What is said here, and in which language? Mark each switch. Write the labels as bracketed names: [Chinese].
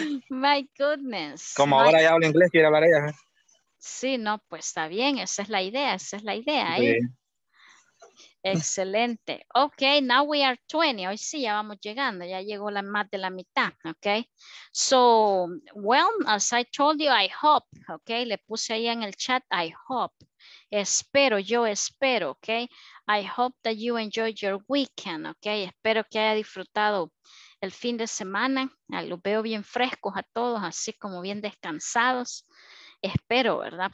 [English] My goodness. [Spanish] Como ahora ya hablo inglés, quiere hablar ella. Sí, no, pues está bien, esa es la idea. Sí. Excelente. Ok, now we are 20. Hoy sí, ya vamos llegando, ya llegó la más de la mitad. Ok. [English] So, well, as I told you, I hope. [Spanish] Ok, le puse ahí en el chat, I hope. Yo espero. Ok. I hope that you enjoyed your weekend. Ok, espero que haya disfrutado el fin de semana. Los veo bien frescos a todos, así como bien descansados. Espero, ¿verdad?